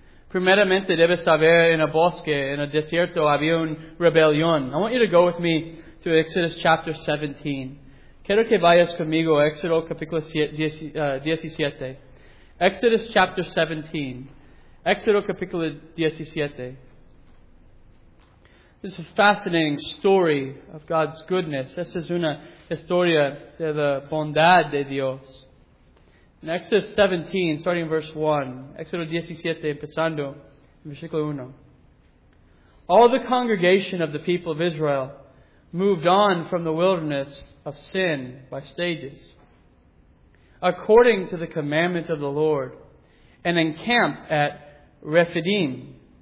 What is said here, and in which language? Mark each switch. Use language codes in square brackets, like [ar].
[es] Primeramente debes saber en el bosque, en el desierto había un rebelión. [en] I want you to go with me to Exodus chapter 17. [es] Quiero que vayas conmigo a Éxodo capítulo 17. [en] Exodus chapter 17. [es] Éxodo capítulo 17. [en] This is a fascinating story of God's goodness. [es] Esta es una historia de la bondad de Dios. [en] In Exodus 17, starting in verse 1. [es] Éxodo 17, empezando en versículo 1. [en] All the congregation of the people of Israel moved on from the wilderness of sin by stages, according to the commandment of the Lord, and encamped at Rephidim.